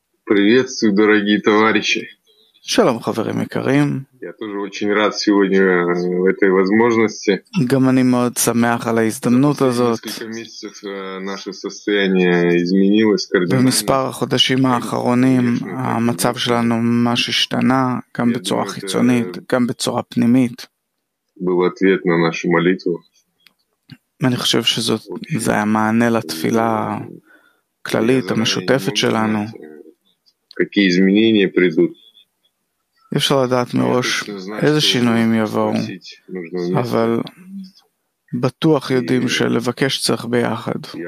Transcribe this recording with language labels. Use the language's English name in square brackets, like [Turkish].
[Russian] Приветствую, дорогие товарищи. [Hebrew] שלום, חברים יקרים. [Russian] Я тоже очень рад сегодня в этой возможности. [Hebrew] גם אני מאוד שמח על ההזדמנות הזאת. [Russian] Наше состояние изменилось кардинально. [Hebrew] במספר החודשים האחרונים המצב שלנו ממש השתנה, גם בצורה חיצונית, גם בצורה פנימית. [Russian] Был ответ на нашу молитву. [Hebrew] אני חושב שזה היה מענה לתפילה כללית המשותפת שלנו. [Russian] Какие изменения придут? [Hebrew] אפשר לדעת מראש איזה שינויים יבואו, אבל בטוח יודעים שלבקש צריך ביחד.